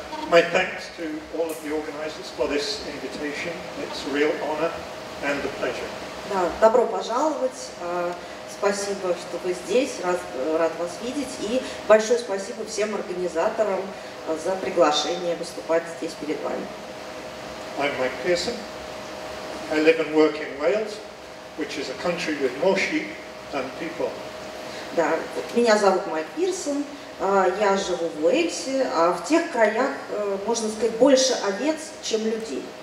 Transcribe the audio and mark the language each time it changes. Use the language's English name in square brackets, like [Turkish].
[English] My thanks to all of the organizers for this invitation. It's a real honor and a pleasure. [Russian] Да, добро пожаловать. Спасибо, что вы здесь, рад вас видеть. И большое спасибо всем организаторам за приглашение выступать здесь перед вами. [English] I'm Mike Pearson. I live and work in Wales, which is a country with more sheep than people. [Russian] Да, меня зовут Майк Пирсон. Я живу в Уэльсе, а в тех краях, можно сказать, больше овец, чем людей.